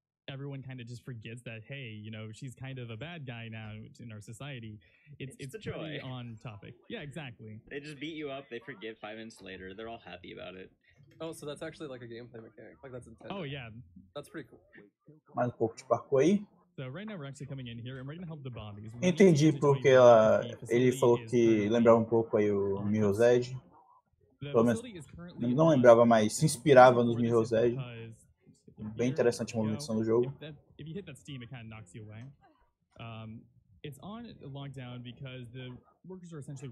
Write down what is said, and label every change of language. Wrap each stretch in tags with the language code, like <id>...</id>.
<en>Everyone kind of just forgets that, hey, you know, she's kind of a bad guy now in our society. It's a joy. Pretty on topic. Yeah, exactly. They just beat you up, they forget 5 minutes later, they're all happy about it. Oh, so that's actually like a gameplay mechanic. Like, that's intense. Oh, yeah. That's pretty cool.</en> <pt>Mais um pouco de parkour aí.</pt> <en>So right now we're actually coming in here and we're going to help the bombies.</en> <pt>Entendi porque ele falou que lembrava um pouco aí o Mirror's Edge. Pelo menos, não lembrava, mas se inspirava nos Mirror's Edge. Bem interessante a movimentação do jogo.</pt> <en>If you hit that steam, it kind of knocks you away. It's on lockdown because the workers are essentially</en>